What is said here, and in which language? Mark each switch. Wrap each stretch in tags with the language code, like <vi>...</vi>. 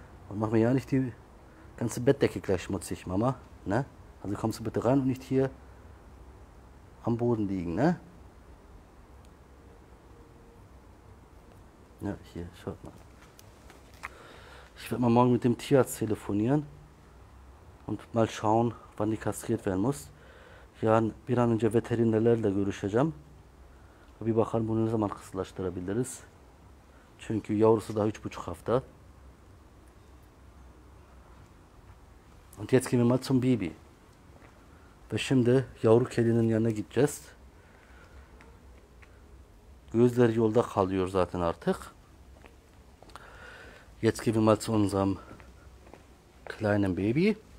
<de>Und mach mir ja nicht die ganze Bettdecke gleich schmutzig, Mama. Ne? Also kommst du bitte rein und nicht hier am Boden liegen, ne? Ja, hier, schaut mal. Ich werde mal morgen mit dem Tierarzt telefonieren und mal schauen, wann die kastriert werden muss.</de> <tr>Yani bir an önce veterinerlerle görüşeceğim. Bir bakalım bunu ne zaman kısırlaştırabiliriz. Çünkü yavrusu daha 3,5 hafta.</tr> <de>Und jetzt gehen wir mal zum Bibi.</de> <tr>Ve şimdi yavru kedinin yanına gideceğiz. Gözleri yolda kalıyor zaten artık.</tr> <de>Jetzt gehen wir mal zu unserem kleinen Baby.</de>